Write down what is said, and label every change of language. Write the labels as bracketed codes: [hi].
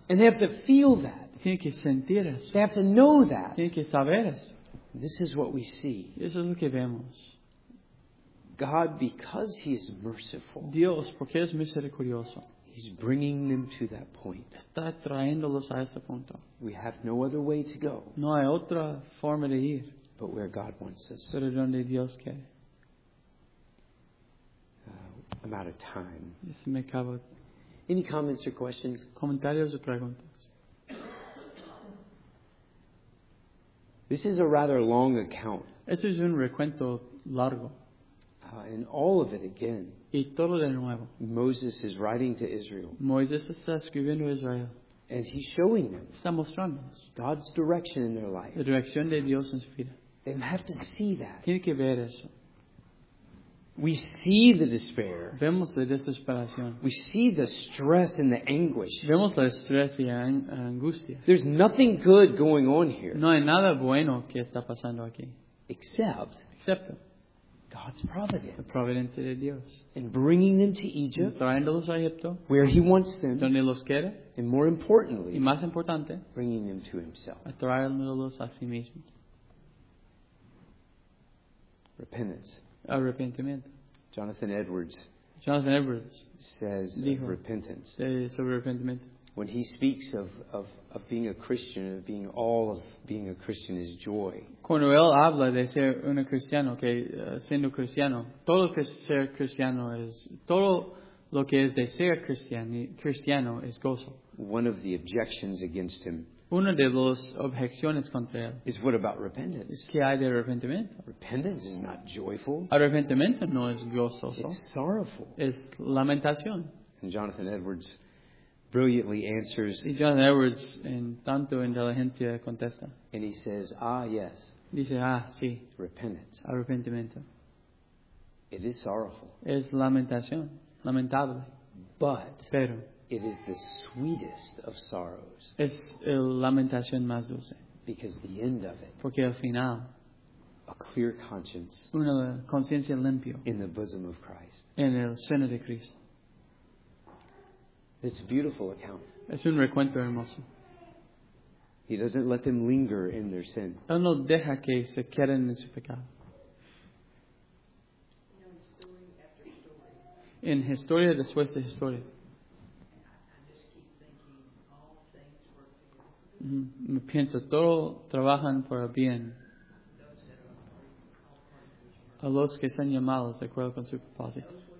[en] And they have to feel that. [es] Tienen que sentir eso. [en] They have to know that. [es] Tienen que saber eso. [en] This is what we see. [es] Eso es lo que vemos. [en] God, because He is merciful. [es] Dios, porque es misericordioso. [en] He's bringing them to that point. [es] Está trayéndolos a ese punto. [en] We have no other way to go. [es] No hay otra forma de ir. [en] But where God wants us. [es] Pero donde Dios quiere. [en] I'm out of time. [es] Se me acabó. [en] Any comments or questions? [es] Comentarios o preguntas. [en] This is a rather long account. [es] Este es un recuento largo. [en] And all of it again. [es] Y todo de nuevo. [en] Moses is writing to Israel. [es] Moisés está escribiendo a Israel. [en] And he's showing them. [es] Está mostrándoles. [en] God's direction in their life. [es] La dirección de Dios en su vida. [en] They have to see that. [es] Tienen que ver eso. [en] We see the despair. [es] Vemos la desesperación. [en] We see the stress and the anguish. [es] Vemos el estrés y angustia. [en] There's nothing good going on here. [es] No hay nada bueno que está pasando aquí. [en] Except God's providence. [es] La providencia de Dios. [en] In bringing them to Egypt. [es] Trayéndolos a Egipto. [en] Where He wants them. [es] Donde los quiere. [en] And more importantly. [es] Y más importante. [en] Bringing them to Himself. [es] A traerlos a sí mismo. [en] Repentance. [es] Arrepentimiento. [en] Jonathan Edwards says [es] dijo, [en] of repentance. [es] Sobre arrepentimiento. [en] When he speaks of being a Christian, of being all of being a Christian is joy. [es] Cuando él habla de ser un cristiano, que siendo cristiano, todo lo que ser cristiano es todo lo que es de ser cristiano es gozo. [en] One of the objections against him. [es] Una de las objeciones contra él [en] is what about repentance? [es] Es que hay de arrepentimiento. [en] Repentance is not joyful. [es] Arrepentimiento no es gozoso. [en] It's sorrowful. [es] Es lamentación. [en] And Jonathan Edwards brilliantly answers. [es] Y Jonathan Edwards en tanto inteligencia contesta. [en] And he says, ah, yes. [es] Dice, ah, sí. [en] Repentance. [es] Arrepentimiento. [en] It is sorrowful. [es] Es lamentación. Lamentable. [en] But. [es] Pero. [en] It is the sweetest of sorrows. [es] Es el lamentación más dulce. [en] Because the end of it. [es] Porque al final. [en] A clear conscience. [es] Una conciencia limpia. [en] In the bosom of Christ. [es] En el seno de Cristo. [en] It's a beautiful account. [es] Es un recuento hermoso. [en] He doesn't let them linger in their sin. [es] Él no deja que se queden en su pecado. En historia después de historia. Me pienso, todos trabajan por el bien a los que están llamados de acuerdo con su propósito.